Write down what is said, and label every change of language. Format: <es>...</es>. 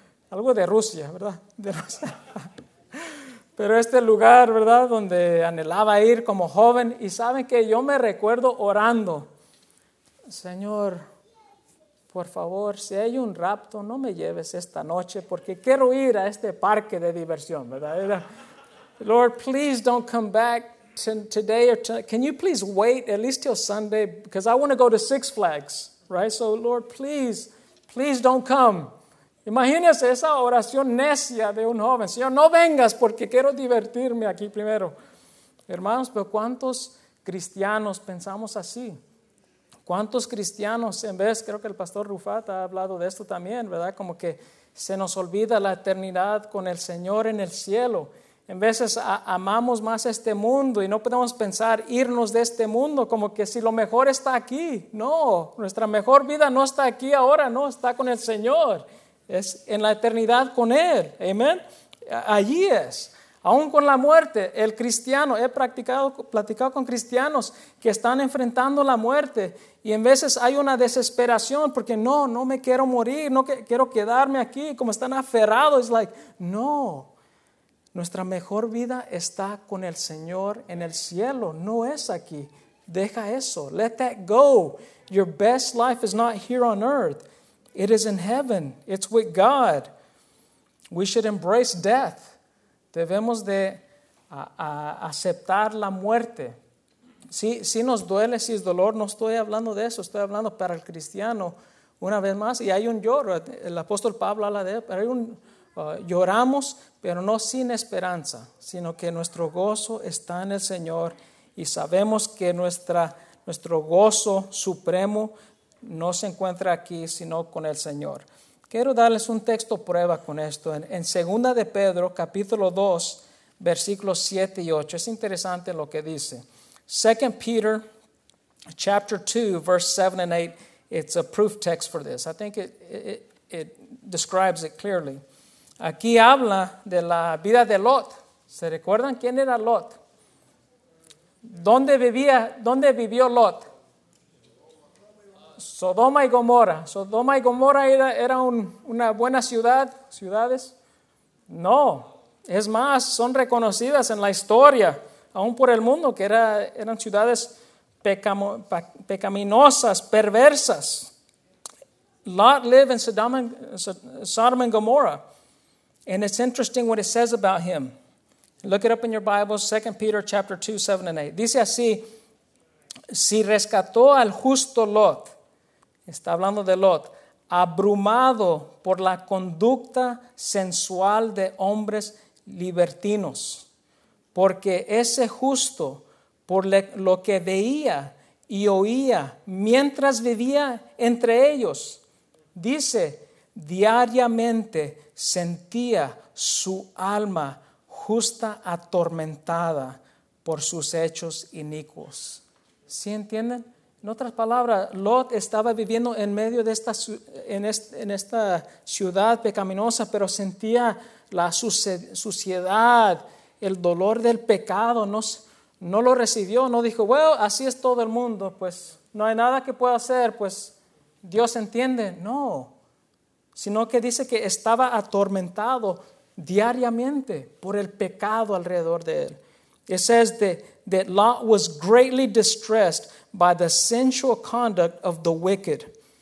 <es>Algo de Rusia, ¿verdad? De Rusia. Pero este lugar, ¿verdad? Donde anhelaba ir como joven. Y saben que yo me recuerdo orando: Señor, por favor, si hay un rapto, no me lleves esta noche, porque quiero ir a este parque de diversión, ¿verdad? Era,</es> <en>Lord, please don't come back today or can you please wait at least till Sunday, because I want to go to Six Flags, right? So Lord, please don't come.</en> <es>Imagínese esa oración necia de un joven. Señor, no vengas porque quiero divertirme aquí primero. Hermanos, pero ¿cuántos cristianos pensamos así? ¿Cuántos cristianos, en vez, creo que el pastor Rufat ha hablado de esto también, ¿verdad? Como que se nos olvida la eternidad con el Señor en el cielo. En veces amamos más este mundo y no podemos pensar irnos de este mundo como que si lo mejor está aquí. No, nuestra mejor vida no está aquí ahora, no, está con el Señor. Es en la eternidad con Él. Amén. Allí es. Aún con la muerte, el cristiano, he platicado con cristianos que están enfrentando la muerte y en veces hay una desesperación porque no me quiero morir, no quiero quedarme aquí, como están aferrados.</es> <en>It's like, no.</en> <es>Nuestra mejor vida está con el Señor en el cielo. No es aquí. Deja eso.</es> <en>Let that go. Your best life is not here on earth. It is in heaven. It's with God. We should embrace death.</en> <es>Debemos de aceptar la muerte. Si nos duele, si es dolor, no estoy hablando de eso. Estoy hablando para el cristiano una vez más. Y hay un lloro. El apóstol Pablo habla de él. Hay un lloramos, pero no sin esperanza, sino que nuestro gozo está en el Señor y sabemos que nuestro gozo supremo no se encuentra aquí, sino con el Señor. Quiero darles un texto prueba con esto. En 2 de Pedro, capítulo 2, versículos 7 y 8. Es interesante lo que dice.</es> <en>2 Peter chapter 2, verse 7 and 8, it's a proof text for this. I think it describes it clearly.</en> <es>Aquí habla de la vida de Lot. ¿Se recuerdan quién era Lot? ¿Dónde vivió Lot? Sodoma y Gomorra. ¿Sodoma y Gomorra era una buena ciudad? ¿Ciudades? No. Es más, son reconocidas en la historia, aún por el mundo, que eran ciudades pecaminosas, perversas.</es> <en>Lot lived in Sodom and Gomorrah. And it's interesting what it says about him. Look it up in your Bible, 2 Peter chapter 2, 7 and 8.</en> <es>Dice así, si rescató al justo Lot, está hablando de Lot, abrumado por la conducta sensual de hombres libertinos, porque ese justo, por lo que veía y oía mientras vivía entre ellos, dice, diariamente sentía su alma justa atormentada por sus hechos inicuos. ¿Sí entienden? En otras palabras, Lot estaba viviendo en medio de esta, en esta ciudad pecaminosa, pero sentía la suciedad, el dolor del pecado. No lo recibió, no dijo, bueno, well, así es todo el mundo, pues no hay nada que pueda hacer, pues Dios entiende. No, sino que dice que estaba atormentado diariamente por el pecado alrededor de él.</es> <en>It says that Lot was greatly distressed by the sensual conduct of the wicked.</en>